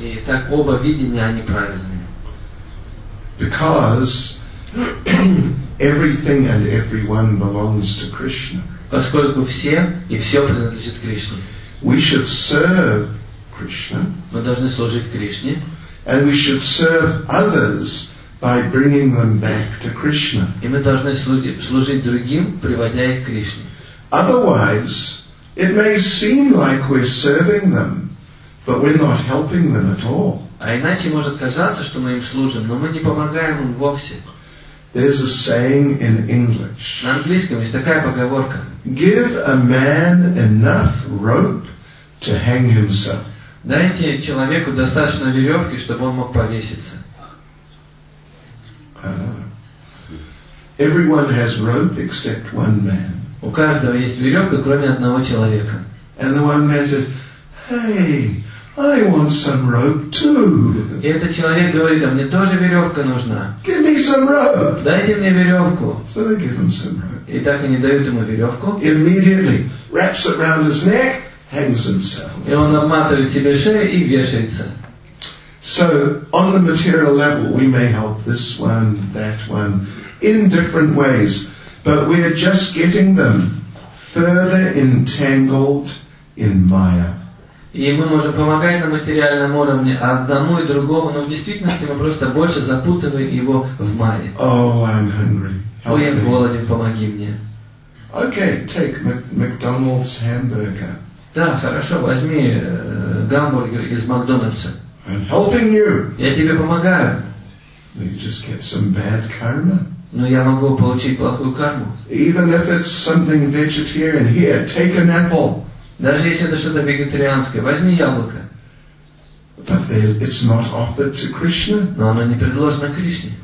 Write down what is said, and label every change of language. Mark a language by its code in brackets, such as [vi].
[ru] И так оба видения, они правильные. [en] Because everything and everyone belongs to Krishna. [ru] Поскольку все и все принадлежит Кришне. [en] We should serve Krishna. [ru] Мы должны служить Кришне. [en] And we should serve others by bringing them back to Krishna. [ru] И мы должны служить другим, приводя их к Кришне. [en] Otherwise, it may seem like we're serving them, but we're not helping them at all. [ru] А иначе может казаться, что мы им служим, но мы не помогаем им вовсе. [en] There's a saying in English. [ru] На английском есть такая поговорка. [en] Give a man enough rope to hang himself. [ru] Дайте человеку достаточно веревки, чтобы он мог повеситься. [en] Everyone has rope except one man. [ru] У каждого есть веревка, кроме одного человека. [en] And the one man says, "Hey, I want some rope too." [ru] И этот человек говорит, а мне тоже веревка нужна. [en] Give me some rope. [ru] Дайте мне веревку. [en] So they give him some rope. [ru] И так они дают ему веревку. [en] Immediately wraps it around his neck, hangs himself. [ru] И он обматывает себе шею и вешается. [en] So on the material level, we may help this one, that one, in different ways, but we are just getting them further entangled in Maya. [ru] И мы можем помогать на материальном уровне одному и другому, но в действительности мы просто больше запутываем его в мае. [en] Oh, I'm hungry. [ru] Ой, я голоден, помоги мне. [en] Okay, take McDonald's hamburger. [ru] Да, хорошо, возьми гамбургер из Макдональдса. [en] I'm helping you. [ru] Я тебе помогаю. [en] You just get some bad karma. [ru] Но я могу получить плохую карму. [en] Even if it's something vegetarian, here, take an apple. [ru] Даже если это что-то вегетарианское, возьми яблоко. [en] But it's not offered to Krishna. [ru] Но оно не предложено Кришне.